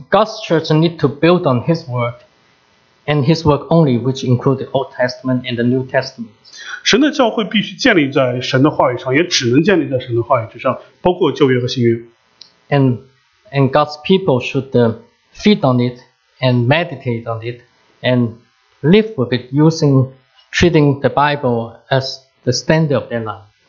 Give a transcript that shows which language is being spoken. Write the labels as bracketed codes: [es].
[en] God's church need to build on His word, and His word only, which include the Old Testament and the New Testament. [zh] 神的教会必须建立在神的话语上，也只能建立在神的话语之上，包括旧约和新约。 [en] and God's people should feed on it and meditate on it and live with it, using treating the Bible as the standard of their life.